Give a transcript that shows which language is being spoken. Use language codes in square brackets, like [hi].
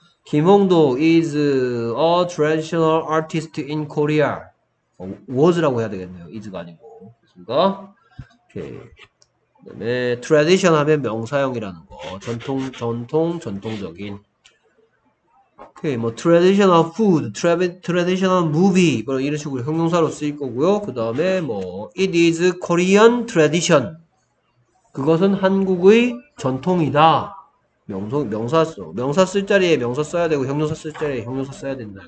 [en] 김홍도 is a traditional artist in Korea. [ko] was라고 해야 되겠네요. is가 아니고. 됐습니까? 오케이. 그다음에 tradition 하면 명사형이라는 거. 전통적인. 오케이, 뭐, [en] traditional food, traditional movie. [ko] 뭐 이런 식으로 형용사로 쓰일 거고요. 그 다음에 뭐, [en] it is Korean tradition. [ko] 그것은 한국의 전통이다. 명사 쓸 자리에 명사 써야 되고, 형용사 쓸 자리에 형용사 써야 된다.